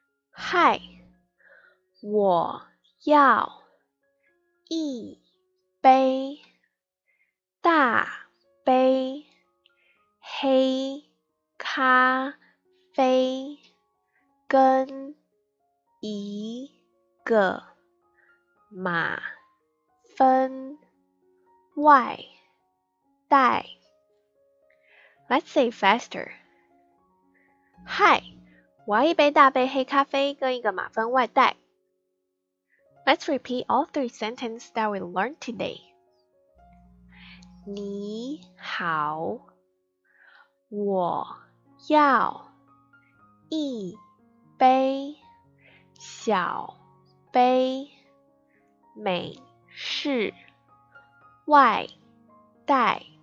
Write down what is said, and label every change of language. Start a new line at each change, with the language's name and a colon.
Chinese: 害, 我, 要, 一, 杯, 大, 杯, 黑, 咖, 啡, 跟, 一, 个, 马, 分, 外, 带。
English: Let's say faster.
Chinese: Hi, 我要一杯大杯黑咖啡跟一个马分外带。
English: Let's repeat all three sentences that we learned today.
Chinese: 你好，我要一杯小杯美式外带。